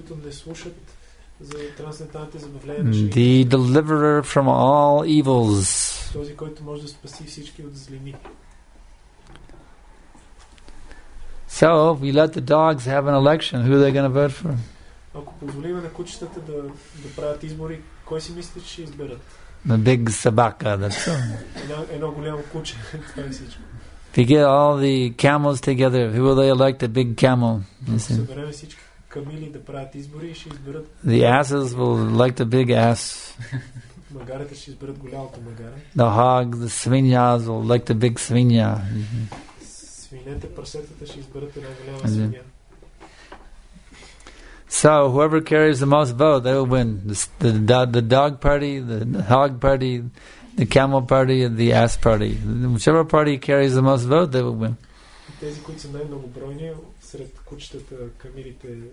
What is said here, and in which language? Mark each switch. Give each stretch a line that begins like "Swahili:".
English: The deliverer from all evils.
Bulgarian: Този, който може да спаси всички от злини.
English: So, if we let the dogs have an election, who are they going to vote for?
Bulgarian: Ако позволим на кучетата да правят избори, кой си мислите, че ще изберат?
English: The big собака, that's all.
Bulgarian: Едно голямо куче, това е всичко.
English: If you get all the camels together, who will they elect the big camel?
Bulgarian: Съберем всички камили да правят избори и ще изберат.
English: The asses will elect the big ass.
Bulgarian: Магарите ще изберат голямото магаре.
English: The hog, the svinyas will like the big svinya.
Bulgarian: Свинете, прасетата ще изберат една голяма свиня.
English: So whoever carries the most vote, they will win. The dog party, the hog party, the camel party, and the ass party. Whichever party carries the most vote, they will win.
Bulgarian: Тези, които са най-многобройни сред кучетата, камилите,